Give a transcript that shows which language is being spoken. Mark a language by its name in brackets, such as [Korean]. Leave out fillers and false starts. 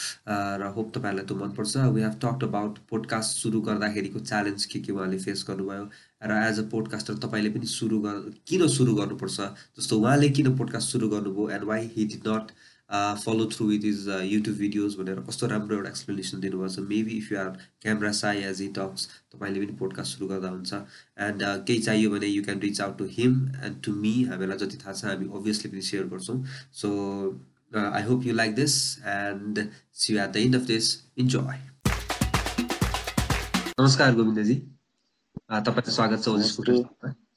[Nepali] र होप तपाईँहरूलाई त्यो मनपर्छ. [English] we have talked about podcast [Nepali] सुरु गर्दाखेरिको च्यालेन्ज के उहाँले फेस गर्नुभयो, र [English] as a podcaster [Nepali] तपाईँले पनि सुरु गर किन सुरु गर्नुपर्छ, जस्तो उहाँले किन पोडकास्ट सुरु गर्नुभयो, [English] and why he did not follow through with his YouTube videos [Nepali] भनेर कस्तो राम्रो एउटा एक्सप्लेनेसन दिनुभएको छ. [English] maybe if you are camera shy as he talks, [Nepali] तपाईँले पनि पोडकास्ट सुरु गर्दा हुन्छ. एन्ड केही चाहियो भने [English] You can reach out to him and to me. [Nepali] हामीलाई जति थाहा छ हामी ओभियसली पनि सेयर गर्छौँ. [English] So I hope you like this and see you at the end of this. Enjoy. [Nepali] नमस्कार गोविन्दजी, तपाईँको स्वागत छ.